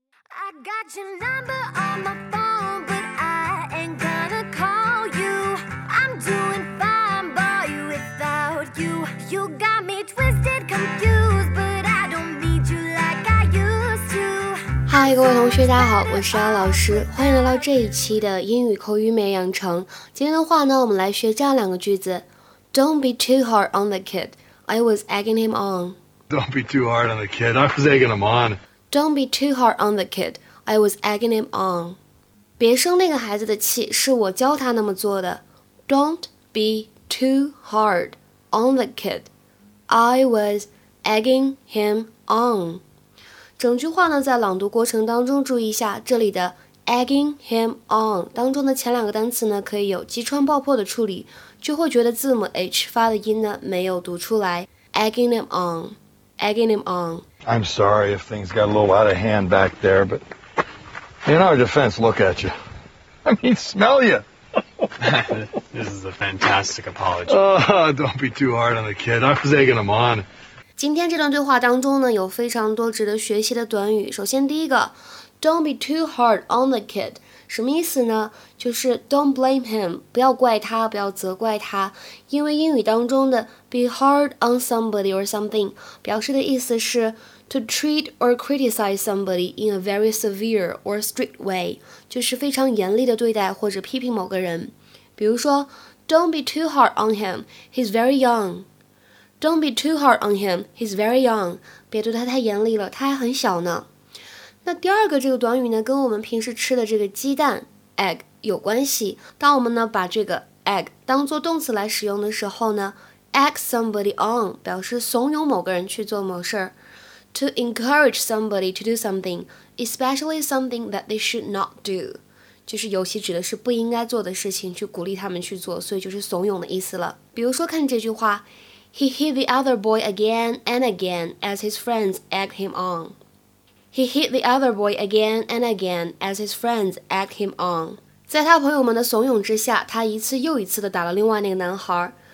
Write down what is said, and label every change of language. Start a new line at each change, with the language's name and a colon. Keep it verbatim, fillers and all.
English: I got your number on my phone, but I ain't gonna call you. I'm doing fine, boy, without you. You got me twisted, confused, but I don't need you like I used to.
Chinese: 嗨，各位同学，大家好，我是阿老师，欢迎来到这一期的英语口语美养成。今天的话呢，我们来学这样两个句子 ：
English: Don't be too hard on the kid. I was egging him on. Don't be too hard on the kid. I was egging him on. Don't be too hard on the kid. I was egging him on.
Chinese: 别生那个孩子的气，是我教他那么做的。
English: Don't be too hard on the kid. I was egging him on.
Chinese: 整句话呢，在朗读过程当中注意一下，这里的
English: egging him on
Chinese: 当中的前两个单词呢，可以有击穿爆破的处理，就会觉得字母 H 发的音呢没有读出来。
English: Egging him on. Egging him on. I'm sorry if things got a little out of hand back there, but in our defense, look at you. I mean, smell you. This is a fantastic apology. Oh, don't be too hard on the kid. I was egging him on.
Chinese: 今天这段对话当中呢，有非常多值得学习的短语。首先第一个 ，
English: Don't be too hard on the kid.
Chinese: 什么意思呢？就是
English: Don't blame him.
Chinese: 不要怪他，不要责怪他，因为英语当中的
English: be hard on somebody or something
Chinese: 表示的意思是
English: To treat or criticize somebody in a very severe or strict way
Chinese: 就是非常严厉的对待或者批评某个人。比如说
English: Don't be too hard on him, he's very young. Don't be too hard on him, he's very young.
Chinese: 别对他太严厉了，他还很小呢。那第二个这个短语呢，跟我们平时吃的这个鸡蛋 egg 有关系。当我们呢把这个 egg 当作动词来使用的时候呢
English: egg somebody on
Chinese: 表示怂恿某个人去做某事儿。
English: To encourage somebody to do something, especially something that they should not do.
Chinese: 就是尤其指的是不应该做的事情，去鼓励他们去做，所以就是怂恿的意思了。比如说看这句话
English: He hit the other boy again and again as his friends egged him on. He hit the other boy again and again as his friends egged him on.
Chinese: 在他朋友们的怂恿之下，他一次又一次的打了另外那个男孩。